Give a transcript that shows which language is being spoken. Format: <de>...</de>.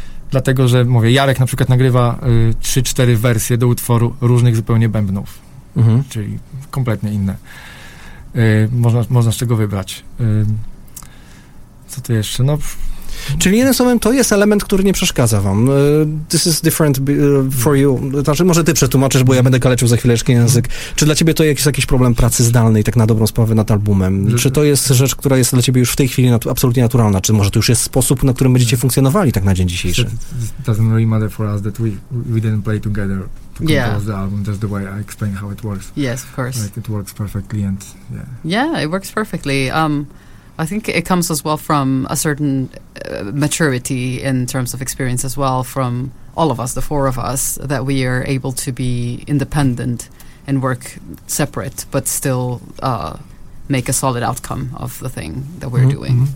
<pl>Dlatego, że mówię, Jarek na przykład nagrywa 3-4 wersje do utworu różnych zupełnie bębnów. Mhm. Czyli kompletnie inne. Można z czego wybrać. Co to jeszcze? No... Czyli jednym słowem, to jest element, który nie przeszkadza wam.</pl> <en>This is different for you.</en> <pl>Znaczy, może ty przetłumaczysz, bo ja będę kaleczył za chwileczkę język. Czy dla ciebie to jest jakiś problem pracy zdalnej, tak na dobrą sprawę, nad albumem? Czy to jest rzecz, która jest dla ciebie już w tej chwili absolutnie naturalna? Czy może to już jest sposób, na którym będziecie funkcjonowali tak na dzień dzisiejszy?</pl> <en>It doesn't really matter for us that we didn't play together to compose the album. That's the way I explain how it works. Yes, of course. Like, it works perfectly and Yeah, it works perfectly. I think it comes as well from a certain maturity in terms of experience as well from all of us, the four of us, that we are able to be independent and work separate, but still make a solid outcome of the thing that we're doing.</en>